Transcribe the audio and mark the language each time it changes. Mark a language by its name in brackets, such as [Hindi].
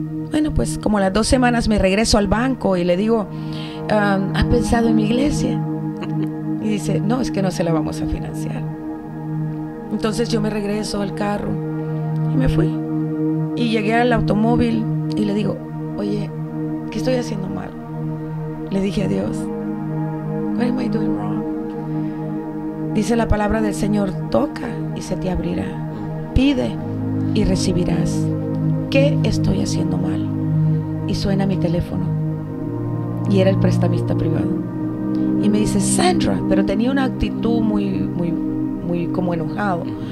[Spanish] Bueno, pues como las 2 semanas me regreso al banco y le digo, ¿has pensado en mi iglesia? Y dice, no, es que no se la vamos a financiar. Entonces yo me regreso al carro y me fui. Y llegué al automóvil y le digo, oye, ¿qué estoy haciendo mal? Le dije a Dios, [English] what am I doing wrong? [Spanish] Dice la palabra del Señor, toca y se te abrirá. Pide y recibirás. ¿Qué estoy haciendo mal? Y suena mi teléfono. Y era el prestamista privado. Y me dice, Sandra, pero tenía una actitud muy, muy, muy como enojado.